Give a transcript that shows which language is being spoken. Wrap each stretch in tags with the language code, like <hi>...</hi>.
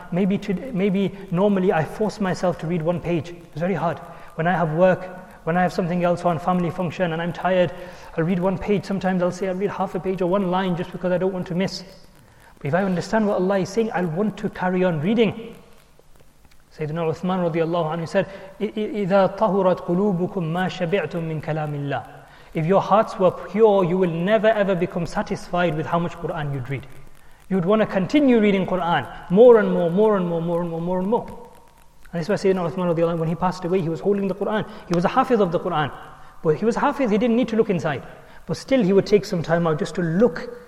<en>Maybe normally I force myself to read one page. It's very hard. When I have work, when I have something else on, family function, and I'm tired, I'll read one page. Sometimes I'll say I'll read half a page or one line just because I don't want to miss. If I understand what Allah is saying, I'll want to carry on reading. Sayyidina Uthman radiallahu anhu said,</en> <ar>إِذَا طَهُرَتْ قُلُوبُكُمْ مَا شَبِعْتُمْ مِنْ كَلَامِ اللَّهِ.</ar> <en>If your hearts were pure, you will never ever become satisfied with how much Quran you'd read. You'd want to continue reading Quran more and more, more and more, more and more, more and more. And this is why Sayyidina Uthman radiallahu anhu, when he passed away, he was holding the Quran. He was a hafiz of the Quran. But he was a hafiz, he didn't need to look inside. But still he would take some time out just to look.</en>